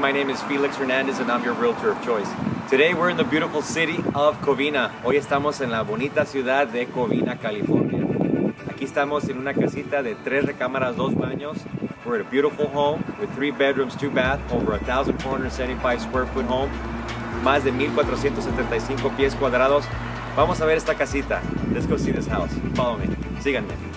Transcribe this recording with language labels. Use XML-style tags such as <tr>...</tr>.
<en>My name is Felix Hernandez and I'm your realtor of choice. Today we're in the beautiful city of Covina.</en> <es>Hoy estamos en la bonita ciudad de Covina, California. Aquí estamos en una casita de tres recámaras, dos baños.</es> <en>We're at a beautiful home with three bedrooms, two baths, over 1,475 square foot home.</en> <es>Más de 1,475 pies cuadrados. Vamos a ver esta casita.</es> <en>Let's go see this house. Follow me.</en> <es>Síganme.</es>